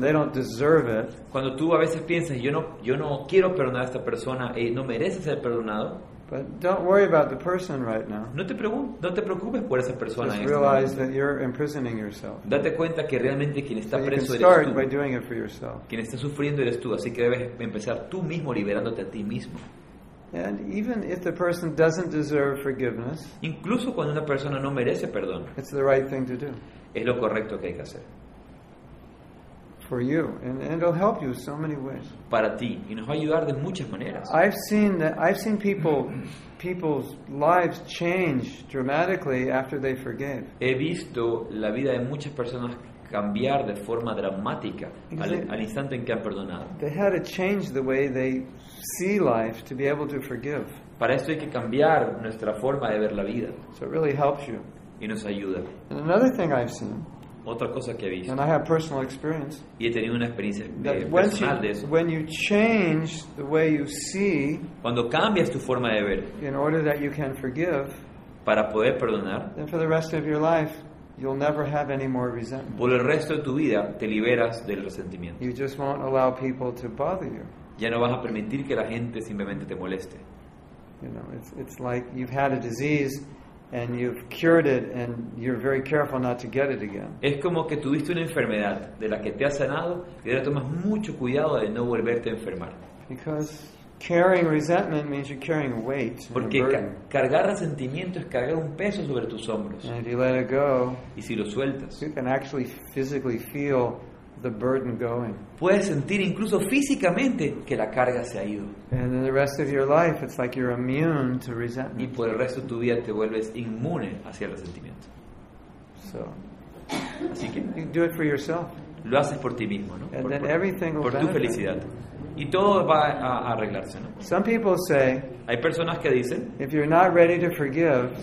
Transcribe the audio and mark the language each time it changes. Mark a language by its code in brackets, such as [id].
[en] They don't deserve it. [es] Cuando tú a veces piensas, yo no quiero perdonar a esta persona, no merece ser perdonado. [en] But don't worry about the person right now. [es] No te preocupes por esa persona. [en] Just realize that you're imprisoning yourself. [es] Date cuenta que realmente quien está preso eres tú. [en] So you can start by doing it for yourself. [es] Quien está sufriendo eres tú, así que debes empezar tú mismo liberándote a ti mismo. [en] And even if the person doesn't deserve forgiveness, [es] incluso cuando una persona no merece perdón, [en] it's the right thing to do. [es] Es lo correcto que hay que hacer. [en] For you, and it'll help you so many ways. [es] Para ti, y nos va a ayudar de muchas maneras. [en] I've seen people's lives change dramatically after they forgive. [es] He visto la vida de muchas personas cambiar de forma dramática al instante en que han perdonado. [en] They had to change the way they see life to be able to forgive. [es] Para esto hay que cambiar nuestra forma de ver la vida. [en] So it really helps you. [es] Y nos ayuda. [en] And another thing I've seen. [es] Otra cosa que he visto. [en] And I have personal experience. [es] Y he tenido una experiencia personal de eso. [en] When you change the way you see. [es] Cuando cambias tu forma de ver. [en] In order that you can forgive. [es] Para poder perdonar. [en] Then for the rest of your life. You'll never have any more resentment. [es] Por el resto de tu vida te liberas del resentimiento. [en] You just won't allow people to bother you. [es] Ya no vas a permitir que la gente simplemente te moleste. [en] You know, it's like you've had a disease and you've cured it and you're very careful not to get it again. [es] Es como que tuviste una enfermedad de la que te has sanado y ahora tomas mucho cuidado de no volverte a enfermar. [en] Because carrying resentment means you're carrying weight. [es] Porque cargar resentimiento es cargar un peso sobre tus hombros. [en] And if you let it go, [es] y si lo sueltas, [en] you can actually physically feel the burden going. [es] Puedes sentir incluso físicamente que la carga se ha ido. [en] And then the rest of your life, it's like you're immune to resentment. [es] Y por el resto de tu vida te vuelves inmune hacia el resentimiento. [en] So, [es] así que [en] you do it for yourself. [es] Lo haces por ti mismo, ¿no? [en] And [es] por, [en] then everything [es] por tu [en] benefit. [es] Felicidad. Y todo va a arreglarse, ¿no? [en] Some people say, [es] hay personas que dicen, [en] if you're not ready to forgive,